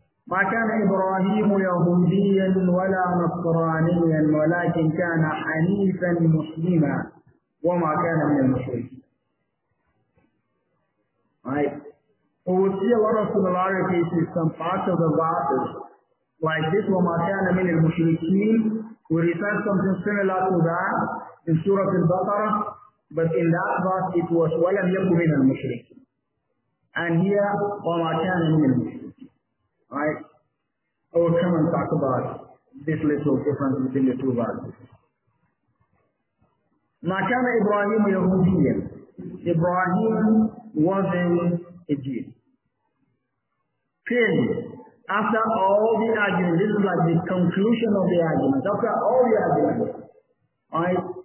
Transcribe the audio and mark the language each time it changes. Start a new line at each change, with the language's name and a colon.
Arabic: ما كان إبراهيم يهوديا ولا نصرانيا ولكن كان حنيفا مسلما وما كان من المشركين.
English: Right. We will see a lot of similarities in some parts of the verses. Like this,
Arabic: وما كان من المشركين.
English: We refer something similar to that in Surah Al-Baqarah, but in that verse it was
Arabic: ولم يكن من المشركين.
English: And here,
Arabic: وما كان من المشركين.
English: Right. I will come and talk about this little difference between the two verses.
Arabic: Makana Ibrahim Yahudiyan.
English: Ibrahim wasn't a Jew. Clearly, after all the arguments, this is like the conclusion of the arguments, after all the arguments, right?